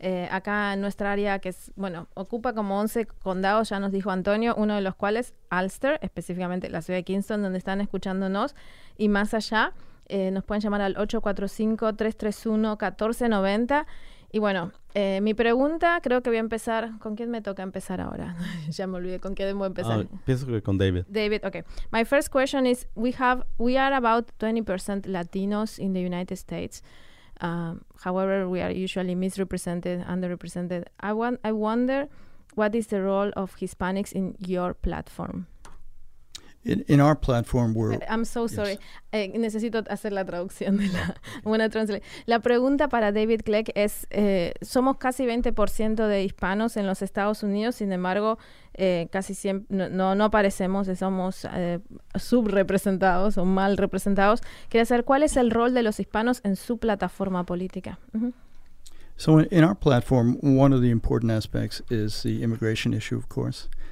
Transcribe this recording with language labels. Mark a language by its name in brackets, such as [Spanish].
[Spanish] Acá en nuestra área, que es, bueno, ocupa como 11 condados, ya nos dijo Antonio, uno de los cuales, Ulster, específicamente la ciudad de Kingston, donde están escuchándonos, y más allá, nos pueden llamar al 845-331-1490. Y bueno, mi pregunta, creo que voy a empezar, ¿con quién me toca empezar ahora? Ya me olvidé, ¿con quién voy a empezar? Pienso que con David. David, okay. [English] My first question is, we are about 20% Latinos in the United States. However, we are usually misrepresented, underrepresented. I wonder, what is the role of Hispanics in your platform? In our platform, we're... I'm so sorry. Yes. [Spanish] Necesito hacer la traducción de la... Una translation. La pregunta para David Clegg es, somos casi 20% de hispanos en los Estados Unidos, sin embargo, casi siempre no aparecemos, somos subrepresentados o mal representados. Quería saber, ¿cuál es el rol de los hispanos en su plataforma política? Mm-hmm. [English] So in our platform, one of the important aspects is the immigration issue, of course.